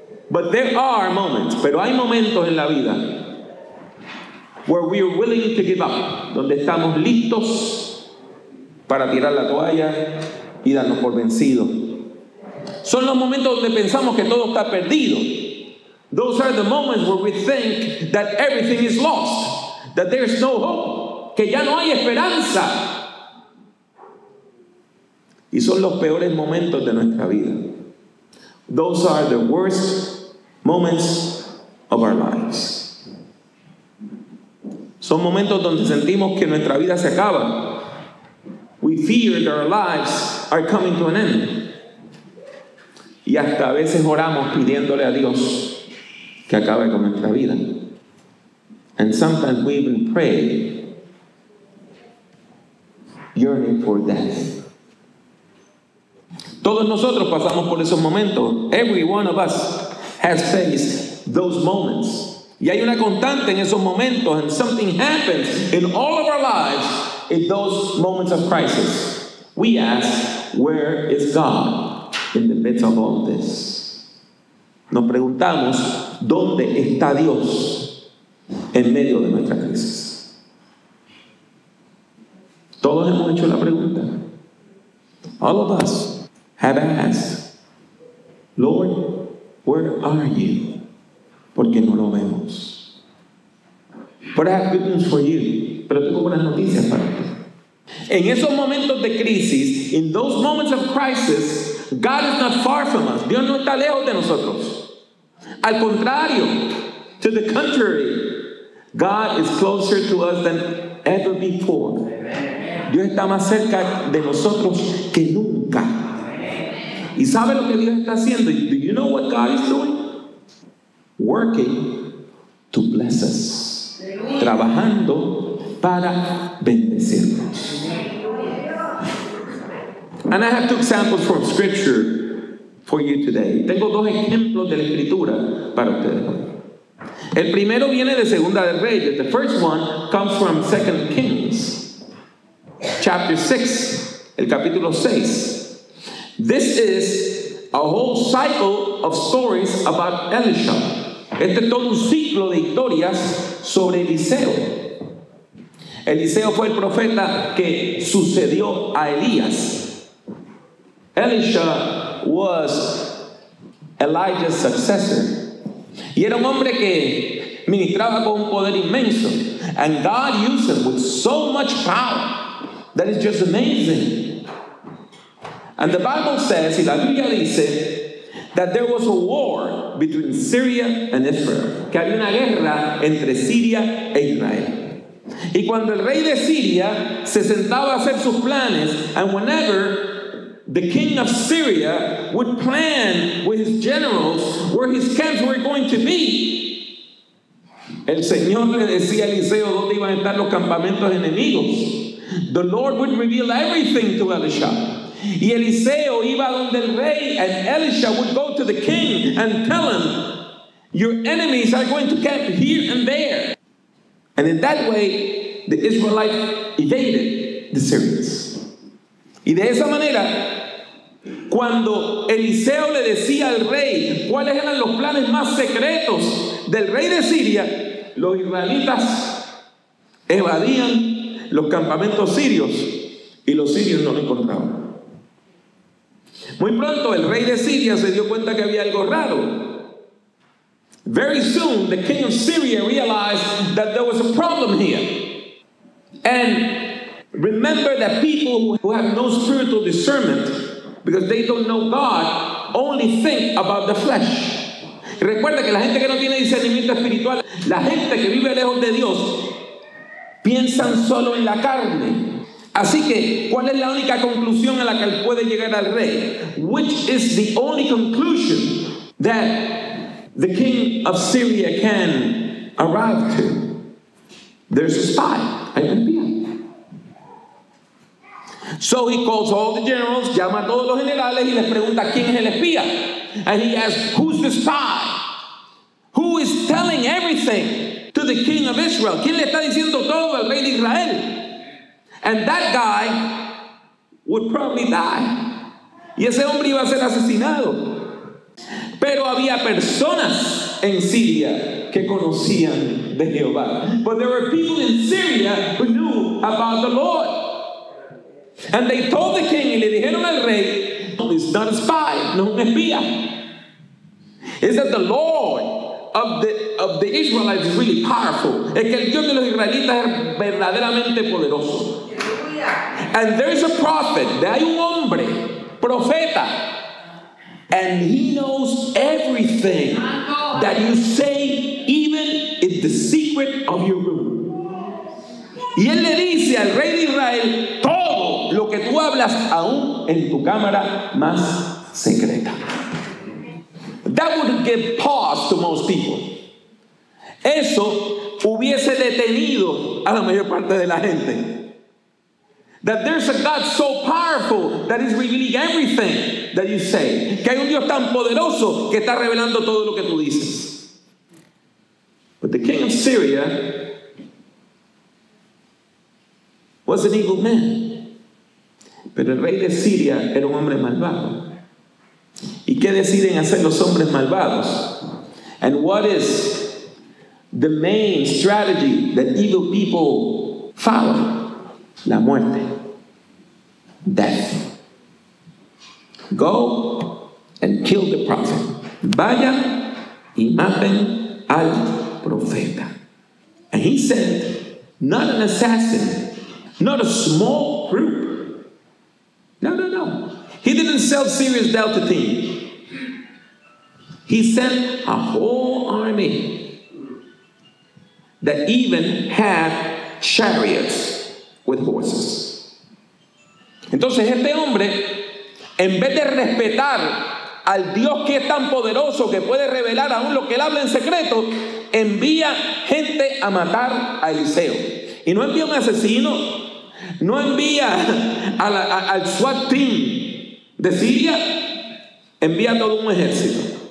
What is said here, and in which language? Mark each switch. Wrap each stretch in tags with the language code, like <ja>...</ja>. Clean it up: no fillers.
<en>But there are moments,</en> <es>pero hay momentos en la vida</es> <en>where we are willing to give up,</en> <es>donde estamos listos para tirar la toalla y darnos por vencido. Son los momentos donde pensamos que todo está perdido.</es> <en>Those are the moments where we think that everything is lost, that there is no hope,</en> <es>que ya no hay esperanza. Y son los peores momentos de nuestra vida.</es> <en>Those are the worst moments of our lives.</en> <es>Son momentos donde sentimos que nuestra vida se acaba.</es> <en>We fear that our lives are coming to an end.</en> <es>Y hasta a veces oramos pidiéndole a Dios que acabe con nuestra vida.</es> <en>And sometimes we even pray yearning for death.</en> <es>Todos nosotros pasamos por esos momentos.</es> <en>Every one of us has faced those moments.</en> <es>Y hay una constante en esos momentos,</es> <en>and something happens in all of our lives in those moments of crisis. We ask, where is God in the midst of all this?</en> <es>Nos preguntamos, ¿dónde está Dios en medio de nuestra crisis? Todos hemos hecho la pregunta.</es> <en>All of us have asked, Lord, where are you?</en> <es>Porque no lo vemos.</es> <en>But I have good news for you.</en> <es>Pero tengo buenas noticias para ti. En esos momentos de crisis,</es> <en>in those moments of crisis, God is not far from us.</en> <es>Dios no está lejos de nosotros. Al contrario,</es> <en>to the contrary, God is closer to us than ever before.</en> <es>Dios está más cerca de nosotros que nunca. ¿Y sabe lo que Dios está haciendo?</es> <en>Do you know what God is doing? Working to bless us.</en> <es>Trabajando para bendecirnos.</es> <en>And I have two examples from Scripture for you today.</en> <es>Tengo dos ejemplos de la Escritura para ustedes hoy. El primero viene de Segunda de Reyes.</es> <en>The first one comes from 2 Kings. Chapter 6,</en> <es>el capítulo 6.</es> <en>This is a whole cycle of stories about Elisha.</en> <es>Este es todo un ciclo de historias sobre Eliseo. Eliseo fue el profeta que sucedió a Elías.</es> <en>Elisha was Elijah's successor.</en> <es>Y era un hombre que ministraba con un poder inmenso.</es> <en>And God used him with so much power. That is just amazing. And the Bible says,</en> <es>y la Biblia dice,</es> <en>that there was a war between Syria and Israel.</en> <es>Que había una guerra entre Siria e Israel. Y cuando el rey de Siria se sentaba a hacer sus planes,</es> <en>and whenever the king of Syria would plan with his generals where his camps were going to be,</en> <es>el Señor le decía a Eliseo dónde iban a estar los campamentos enemigos.</es> <en>The Lord would reveal everything to Elisha.</en> <es>Y Eliseo iba donde el rey,</es> <en>and Elisha would go to the king and tell him, your enemies are going to camp here and there. And in that way, the Israelites evaded the Syrians.</en> <es>Y de esa manera, cuando Eliseo le decía al rey cuáles eran los planes más secretos del rey de Siria, los israelitas evadían los campamentos sirios y los sirios no lo encontraban. Muy pronto el rey de Siria se dio cuenta que había algo raro.</es> <en>Very soon, the king of Syria realized that there was a problem here. And remember that people who have no spiritual discernment, because they don't know God, only think about the flesh.</en> <es>Recuerda que la gente que no tiene discernimiento espiritual, la gente que vive lejos de Dios, piensan solo en la carne. Así que, ¿cuál es la única conclusión a la que puede llegar el rey?</es> <en>Which is the only conclusion that the king of Syria can arrive to? There's a spy.</en> <es>Hay un espía.</es> <en>So he calls all the generals,</en> <es>llama a todos los generales y les pregunta, ¿quién es el espía?</es> <en>And he asks, who's the spy? Who is telling everything to the king of Israel?</en> <es>¿Quién le está diciendo todo al rey de Israel?</es> <en>And that guy would probably die.</en> <es>Y ese hombre iba a ser asesinado. Pero había personas en Siria que conocían de Jehová.</es> <en>But there were people in Syria who knew about the Lord. And they told the king,</en> <es>y le dijeron al rey,</es> <en>it's not a spy,</en> <es>no un espía.</es> <en>It's that the Lord of the Israelites is really powerful.</en> <es>Es que el Dios de los israelitas es verdaderamente poderoso.</es> <en>And there is a prophet,</en> <es>hay un hombre, profeta,</es> <en>and he knows everything that you say, even in the secret of your room.</en> <es>Y él le dice al rey de Israel todo lo que tú hablas aún en tu cámara más secreta.</es> <en>That would give pause to most people.</en> <es>Eso hubiese detenido a la mayor parte de la gente.</es> <en>That there's a God so powerful that is revealing everything that you say.</en> <es>Que hay un Dios tan poderoso que está revelando todo lo que tú dices.</es> <en>But the king of Syria was an evil man.</en> <es>Pero el rey de Siria era un hombre malvado. ¿Y qué deciden hacer los hombres malvados?</es> <en>And what is the main strategy that evil people follow?</en> <es>La muerte.</es> <en>Death. Go and kill the prophet.</en> <es>Vayan y maten al profeta.</es> <en>And he sent not an assassin, not a small group. No. He didn't sell Sirius Delta team. He sent a whole army that even had chariots with horses.</en> <es>Entonces este hombre, en vez de respetar al Dios que es tan poderoso que puede revelar aún lo que él habla en secreto, envía gente a matar a Eliseo. Y no envía un asesino, no envía al SWAT team de Siria, envía todo un ejército.</es>